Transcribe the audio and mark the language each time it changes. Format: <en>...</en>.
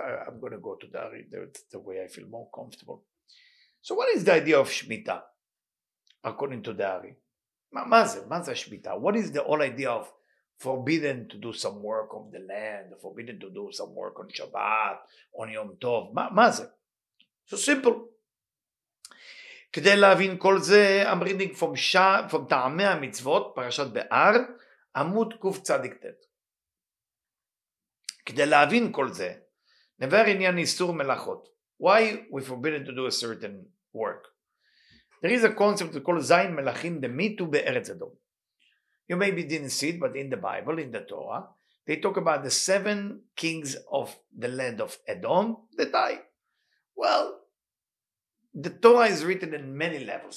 <en>I'm going to go to the Ari. That's the way I feel more comfortable. So what is the idea of Shemitah according to the Ari? Maza Shemitah. What is the whole idea of forbidden to do some work on the land, forbidden to do some work on Shabbat, on Yom Tov? Maza. So simple.</en> <he>כדי להבין כל זה,</he> <en>I'm reading from</en> <he>טעמי המצוות, פרשת באר, עמוד קוף צדיק תת. כדי להבין כל זה, נבר עניין איסור מלאכות.</he> <en>Why we forbidden to do a certain work? There is a concept called</en> <he>זין מלאכים דמיתו בארץ אדום.</he> <en>You maybe didn't see it, but in the Bible, in the Torah, they talk about the seven kings of the land of Edom that died. Well, the Torah is written in many levels.</en>